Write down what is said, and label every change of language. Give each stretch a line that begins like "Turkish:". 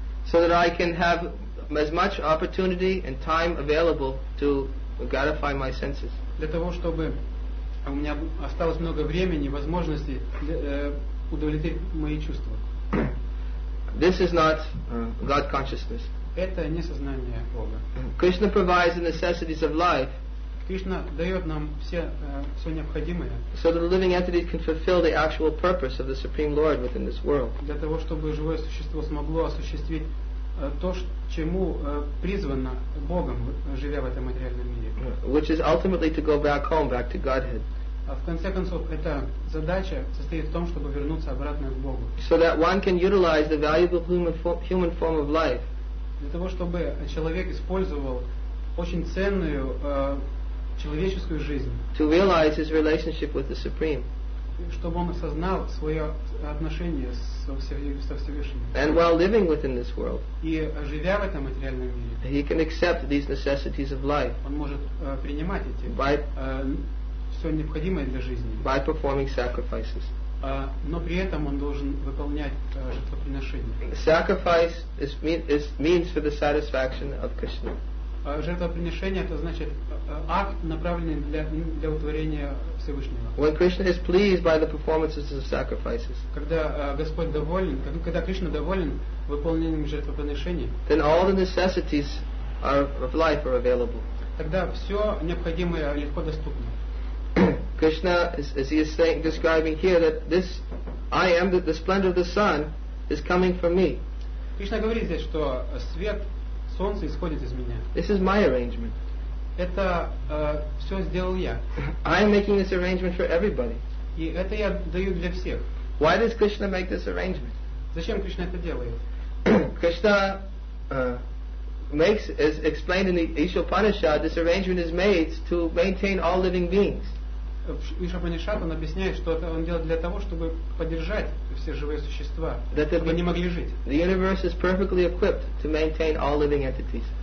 English: So that I can have as much opportunity and time available to gratify my senses.
Russian: Для того, чтобы у меня осталось много времени, возможности удовлетворить мои чувства.
English: This is not God consciousness.
Russian: Это не сознание Бога.
English: Krishna provides the necessities of life.
Russian: Кришна дает нам все необходимое.
English: So that the living entity can fulfill the actual purpose of the Supreme Lord within this world.
Russian: Для того, чтобы живое существо смогло осуществить то, чему призвано Богом, живя в этом материальном мире.
English: Which is ultimately to go back home, back to Godhead.
Russian: А в конце концов, эта задача состоит в том, чтобы вернуться обратно к Богу.
English: So that one can utilize the valuable human form of life.
Russian: Для того, чтобы человек использовал очень ценную человеческую жизнь.
English: To realize his relationship with the Supreme.
Russian: Чтобы он осознал свое отношение со Всевышним.
English: And while living within this world,
Russian: и живя в этом материальном мире,
English: he can accept these necessities of life,
Russian: он может принимать эти все необходимое для жизни,
English: by performing sacrifices.
Russian: Но при этом он должен выполнять жертвоприношение.
English: Sacrifice is means for the satisfaction of Krishna.
Russian: Жертвоприношение — это значит акт, направленный для удовлетворения Всевышнего.
English: When Krishna is pleased by the performances of sacrifices,
Russian: когда Господь доволен, когда Кришна доволен выполнением жертвоприношений,
English: then all the necessities of life are available.
Russian: Тогда все необходимое легко доступно.
English: Krishna, as he is saying, describing here, that this I am, that the splendor of the sun is coming from me.
Russian: Кришна говорит здесь, что свет солнце исходит из меня.
English: This is my arrangement.
Russian: Это все сделал я.
English: I'm making this arrangement for everybody.
Russian: И это я даю для всех.
English: Why does Krishna make this arrangement?
Russian: Зачем Кришна это делает?
English: Krishna makes, as explained in the Ishopanishad, this arrangement is made to maintain all living beings.
Russian: Ишопанишад, он объясняет, что это он делает для того, чтобы поддержать все живые существа, чтобы они могли жить.
English: The universe is perfectly equipped to maintain all living entities.